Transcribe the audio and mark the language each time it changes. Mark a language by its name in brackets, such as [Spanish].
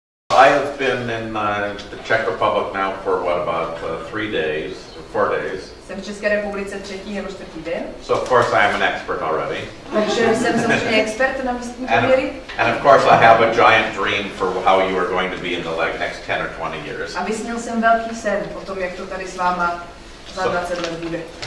[English] I have been in the Czech Republic now for what, about 3 days, 4 days. [Czech] Jsem v České republice třetí nebo čtvrtý den. [English] So of course I am an expert already. [Czech] Takže jsem samozřejmě expert na místní poměry. [English] And of course I have a giant dream for how you are going to be in the next 10 or 20 years. [Czech] A vysnil jsem velký sen o tom, jak to tady s váma za 20 let bude.